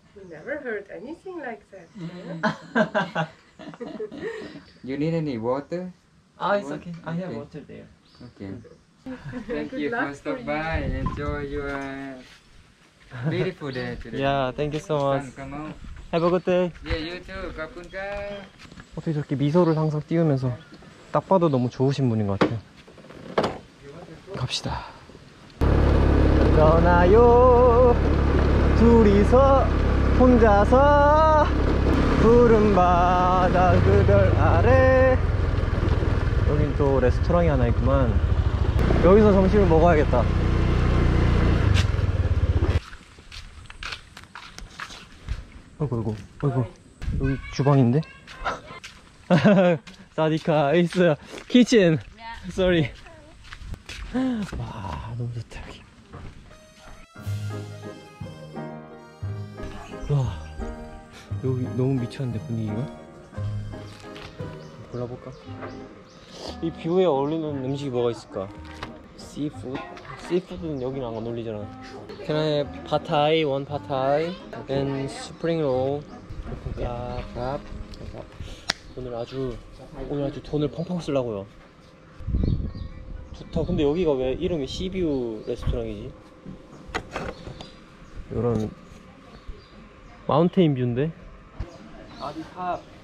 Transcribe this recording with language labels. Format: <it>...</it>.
<en>Never heard anything like that. You need any water? Ah, it's okay. I have water there. Okay. Thank you for stopping by. Enjoy your beautiful day today. Yeah, thank you so much. Come on. Have a good day. Yeah, you too. 가쁜가.</en> <ko>어떻게 저렇게 미소를 항상 띄우면서 딱 봐도 너무 좋으신 분인 것 같아요. 갑시다. 떠나요. 둘이서 혼자서 푸른 바다 그들 아래. 여긴 또 레스토랑이 하나 있구만. 여기서 점심을 먹어야겠다. 어이구, 어이구, 어이구. 여기 주방인데?</ko> <en>사디카, it's a kitchen.</en> <ko>Sorry. 와, 너무 좋다, 여기. 와, 여기 너무 미쳤는데, 분위기가? 골라볼까? 이 뷰에 어울리는 음식이 뭐가 있을까? 씨푸드? 씨푸드는 여긴 안 어울리잖아.</ko> <en>Can I have pad thai, one pad thai, and spring roll?</en> <ko>야, 밥. 오늘 아주 돈을 펑펑 쓰려고요. 좋다. 근데 여기가 왜 이름이 시뷰 레스토랑이지? 이런 마운테인 뷰인데? 아디 팝.</ko>